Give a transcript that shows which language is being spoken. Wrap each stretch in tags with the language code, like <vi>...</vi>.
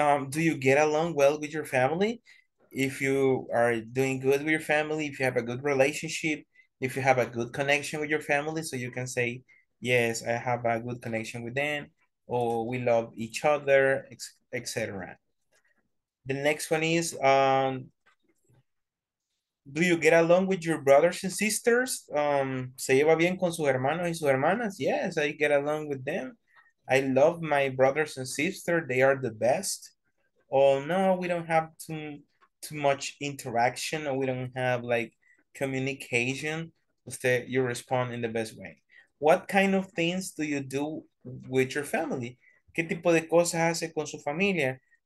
<en>Do you get along well with your family? If you are doing good with your family, if you have a good relationship, if you have a good connection with your family, so you can say, yes, I have a good connection with them, or we love each other, etc. The next one is, do you get along with your brothers and sisters?</en> <es>¿Se lleva bien con sus hermanos y sus hermanas?</es> <en>Yes, I get along with them. I love my brothers and sisters. They are the best. Oh, no, we don't have too much interaction. We don't have, like, communication. Instead, you respond in the best way. What kind of things do you do with your family?</en> <es>¿Qué tipo de cosas hace con su familia?</es>